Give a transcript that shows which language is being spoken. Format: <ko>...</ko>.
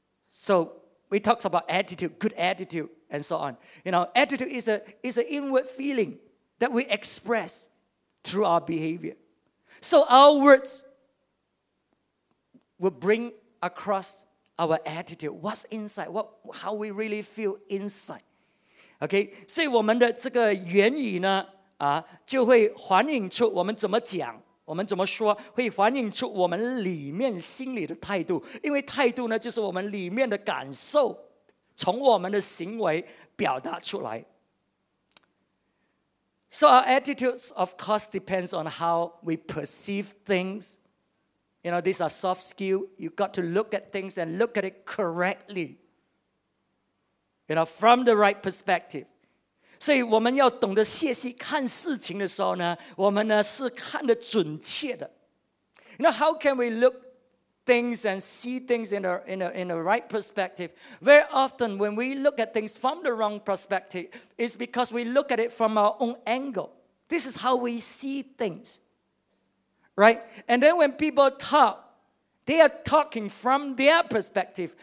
<en>So, we talked about attitude, good attitude, and so on. You know, attitude is an inward feeling that we express through our behavior. So, our words will bring across our attitude, what's inside, how we really feel inside.</en> <zh>Okay, 所以我们的这个言语呢，就会反映出我们怎么讲，我们怎么说，会反映出我们里面心里的态度。因为态度呢，就是我们里面的感受，从我们的行为表达出来。</zh> <en>So our attitudes, of course, depends on how we perceive things. You know, these are soft skills. You've got to look at things and look at it correctly. You know, from the right perspective.</en> <zh>所以我们要懂得细细看事情的时候呢，我们呢是看得准确的。</zh> <en>You know, how can we look things and see things in a right perspective? Very often when we look at things from the wrong perspective, it's because we look at it from our own angle. This is how we see things. Right, and then when people talk, they are talking from their perspective.</en>